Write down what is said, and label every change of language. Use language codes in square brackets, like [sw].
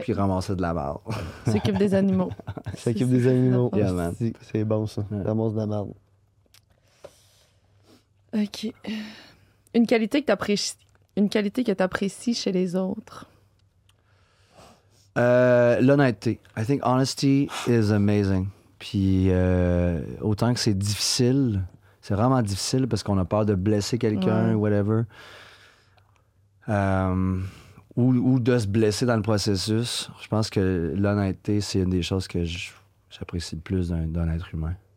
[fr] Puis ramasser de la marde. S'occupe des animaux. S'occupe des animaux. [en] Yeah, man. [fr] C'est bon, ça. Ouais. Ramasse de la marde. OK. Une qualité que t'apprécies chez les autres? L'honnêteté. [en] I think honesty is amazing. [fr] Puis autant que c'est difficile, c'est vraiment difficile parce qu'on a peur de blesser quelqu'un, whatever... Ou de se blesser dans le processus. Je pense que l'honnêteté, c'est une des choses que j'apprécie le plus d'un être humain.